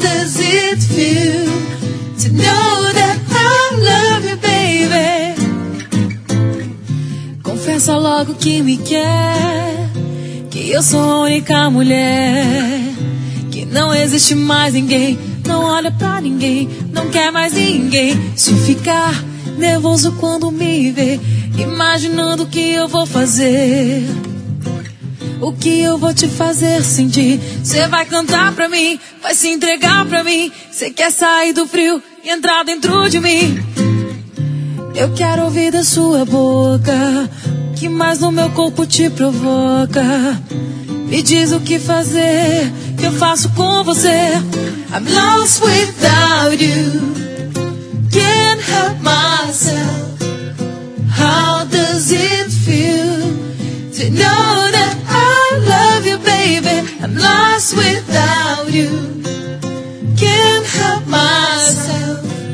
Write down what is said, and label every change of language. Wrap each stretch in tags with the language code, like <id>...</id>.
<en>you know that I love you, baby.</en> <pt>Confessa logo que me quer, que eu sou a única mulher, que não existe mais ninguém. Não olha pra ninguém, não quer mais ninguém. Se ficar nervoso quando me vê, imaginando o que eu vou fazer, o que eu vou te fazer sentir. Cê vai cantar pra mim, vai se entregar pra mim. Cê quer sair do frio e entrar dentro de mim. Eu quero ouvir da sua boca o que mais no meu corpo te provoca. Me diz o que fazer, que eu faço com você.</pt> <en>I'm lost without you, can't help myself. How does it feel to know that I love you, baby? I'm lost without you, can't help myself.</en>